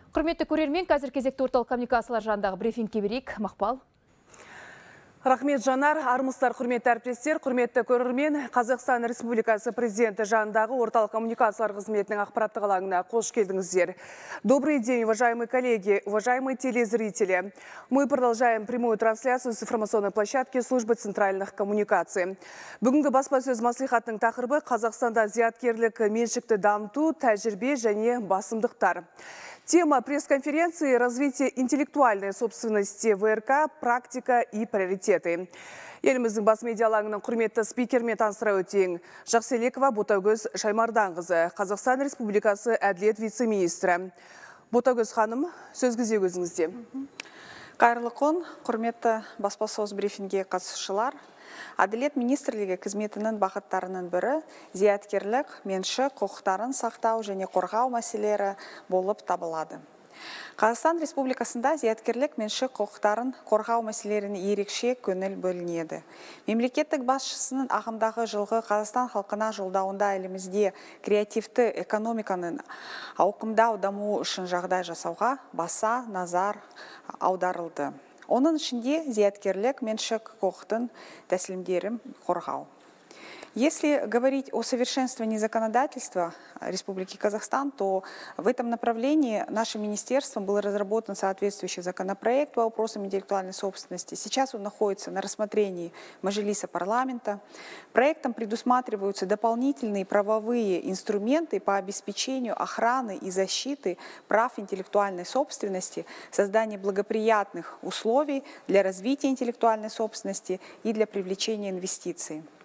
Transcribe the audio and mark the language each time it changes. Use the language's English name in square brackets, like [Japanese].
[Kazakh] Құрметті көрермен, қазір кезекті орталық коммуникациялар жанындағы брифингке берейік. Мақпал. Рахмет, Жанар. Армыстар, құрметті әріптестер, құрметті көрермен, Қазақстан Республикасы президенті жанындағы орталық коммуникациялар қызметінің ақпараттық алаңына қош келдіңіздер. [Russian] Добрый день, уважаемые коллеги, уважаемые телезрители. Мы продолжаем прямую трансляцию с информационной площадки службы центральных коммуникаций. [Kazakh] Бүгінгі баспасөз мәслихатының тақырыбы Қазақстанда зияткерлік меншікті дамыту, тәжірибе және басымдықтар. [Russian] Тема пресс-конференции – развитие интеллектуальной собственности ВРК, практика и приоритеты. [Kazakh] Еліміздің бас медиалаңының құрметті спикермен таныстыра өтейін. Жақселекова Ботагөз Шаймарданқызы, Қазақстан Республикасы әділет вице-министрі. Ботагөз ханым, сөз кезегі өзіңізде. Қайырлы күн, құрметті баспасөз брифинге қатысушылар. Әділет министрлігі қызметінің бағыттарының бірі зияткерлік, менші, құқықтарын сақтау және қорғау мәселері болып табылады. Қазақстан Республикасында зияткерлік менші құқықтарын қорғау мәселеріне ерекше көңіл бөлінеді. Мемлекеттік басшысының ағымдағы жылғы Қазақстан халқына жолдауында елімізде креативті экономиканың ауқымдау дамуы үшін жағдай жасауға баса назар аударылды. Оның ішінде зияткерлік менші құқықтың тәсілімдерін қорғау. [Russian] Если говорить о совершенствовании законодательства Республики Казахстан, то в этом направлении нашим министерством был разработан соответствующий законопроект по вопросам интеллектуальной собственности. Сейчас он находится на рассмотрении Мажилиса парламента. Проектом предусматриваются дополнительные правовые инструменты по обеспечению охраны и защиты прав интеллектуальной собственности, создание благоприятных условий для развития интеллектуальной собственности и для привлечения инвестиций.